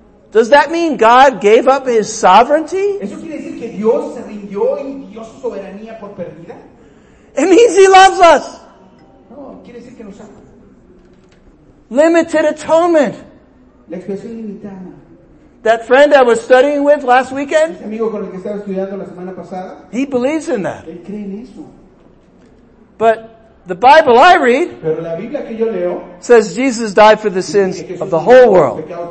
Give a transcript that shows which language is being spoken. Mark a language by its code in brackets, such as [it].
[en] Does that mean God gave up his sovereignty? [es] ¿Eso quiere decir que Dios se rindió y dio su soberanía por perdida? [en] It means he loves us. [es] No, quiere decir que nos ama. [en] Limited atonement. [es] La expiación limitada. [en] That friend I was studying with last weekend, [es] ese amigo con el que estaba estudiando la semana pasada, [en] he believes in that. [es] Él cree en eso. [en] But the Bible I read, [es] pero la Biblia que yo leo, [en] says Jesus died for the sins of the whole world.